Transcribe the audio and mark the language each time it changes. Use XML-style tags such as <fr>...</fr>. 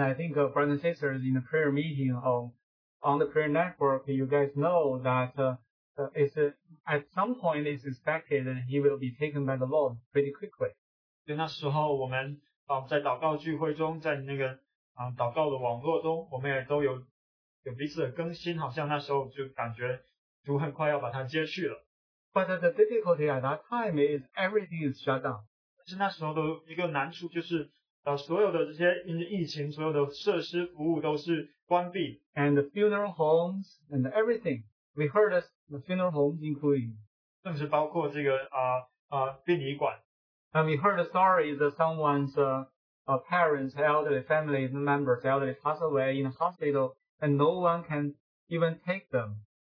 <en>I think brothers and sisters in the prayer meeting or on the prayer network, you guys know that at some point it's expected that he will be taken by the Lord pretty quickly.</en> <zh>对，那时候我们。在祷告聚会中，在那个祷告的网络中，我们也都有彼此的更新，好像那时候就感觉主很快要把他接去了。</zh> <en>But the difficulty at that time is everything is shut down.</en> <zh>但是那时候的一个难处就是，所有的这些因疫情，所有的设施服务都是关闭。</zh> <en>And the funeral homes and everything, we heard us the funeral homes including.</en> <zh>甚至包括这个殡仪馆。</zh> <en>And we heard the story that someone's parents, elderly family members, elderly pass away in a hospital, and no one can even take them.</en>